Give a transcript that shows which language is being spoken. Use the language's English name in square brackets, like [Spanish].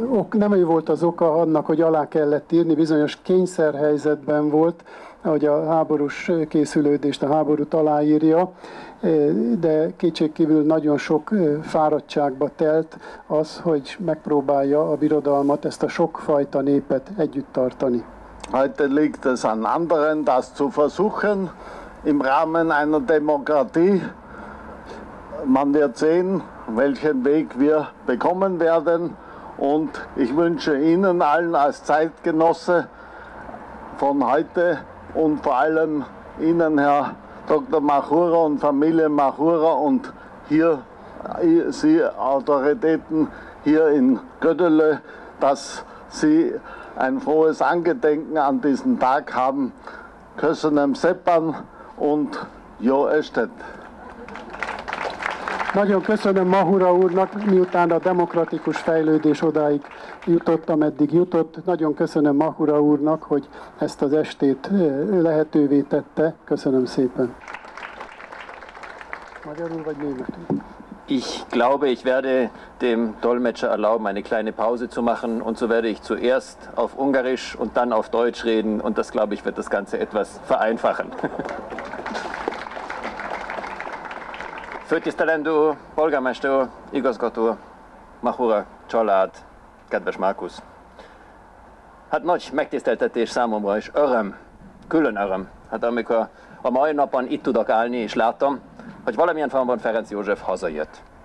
[Hungarian] Nem ő volt az oka annak, hogy alá kellett írni, bizonyos kényszerhelyzetben volt, hogy a háborús készülődést, a háborút aláírja, de kétségkívül nagyon sok fáradtságba telt az, hogy megpróbálja a birodalmat, ezt a sokfajta népet együtt tartani. [German] Heute liegt es an anderen, das zu versuchen im Rahmen einer Demokratie. Man wird sehen, welchen Weg wir bekommen werden. Und ich wünsche Ihnen allen als Zeitgenosse von heute und vor allem Ihnen, Herr Dr. Machura und Familie Machura und hier Sie Autoritäten hier in Gödöllö, dass Sie ein frohes Angedenken an diesen Tag haben. [Hungarian] Köszönöm szépen und jó estet! Nagyon köszönöm Machura úrnak, miután a demokratikus fejlődés odáig jutott, ameddig jutott. Nagyon köszönöm Machura úrnak, hogy ezt az estét lehetővé tette. Köszönöm szépen. Magyarul vagy németül? [German] Ich glaube, ich werde dem Dolmetscher erlauben, eine kleine Pause zu machen, und so werde ich zuerst auf Ungarisch und dann auf Deutsch reden, und das, glaube ich, wird das Ganze etwas vereinfachen. [Hungarian] Főtisztelendő polgármester úr, igazgató, Machura család, kedves Markus. Hát nagy megtiszteltetés számomra, és öröm, külön öröm. Hát amikor a mai napon itt tudok állni, és látom, hogy valamilyen formában Ferenc József hazajött.